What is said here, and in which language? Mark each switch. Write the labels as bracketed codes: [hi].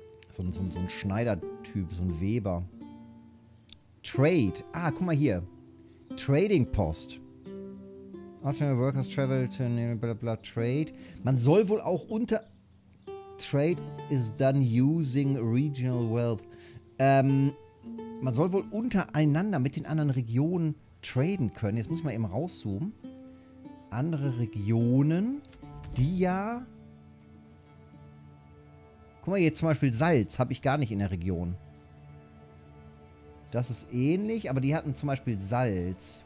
[de] So ein Schneidertyp, so ein Weber. Trade. Ah, guck mal hier. Trading Post. [en] Alternative Workers Travel to blablabla Trade. [de] Man soll wohl auch unter... [en] Trade is done using regional wealth. [de] Man soll wohl untereinander mit den anderen Regionen traden können. Jetzt muss ich mal eben rauszoomen. Andere Regionen, die ja... Guck mal hier, zum Beispiel Salz habe ich gar nicht in der Region. Das ist ähnlich, aber die hatten zum Beispiel Salz.